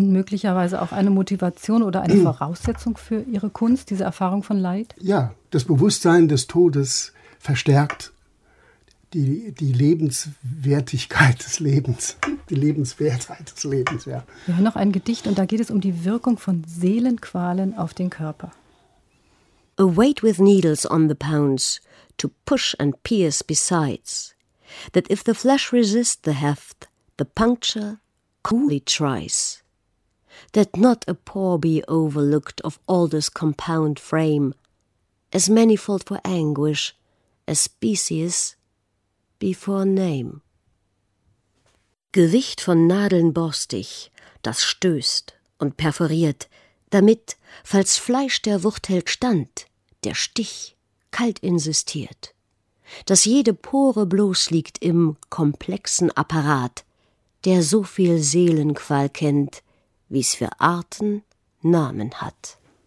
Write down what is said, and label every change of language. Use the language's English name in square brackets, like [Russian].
[German] Und möglicherweise auch eine Motivation oder eine Voraussetzung für ihre Kunst, diese Erfahrung von Leid? Ja, das Bewusstsein des Todes verstärkt die Lebenswertigkeit des Lebens, die Lebenswertheit des Lebens, ja. Wir haben noch ein Gedicht und da geht es um die Wirkung von Seelenqualen auf den Körper. [English] A weight with needles on the pounds, to push and pierce besides, that if the flesh resist the heft, the puncture coolly tries. That not a pore be overlooked of all this compound frame, as manifold for anguish, as species before name. [German] Gewicht von Nadeln borstig, das stößt und perforiert, damit, falls Fleisch der Wucht hält stand, der Stich kalt insistiert. Dass jede Pore bloß liegt im komplexen Apparat, der so viel Seelenqual kennt, wie's für Arten Namen hat.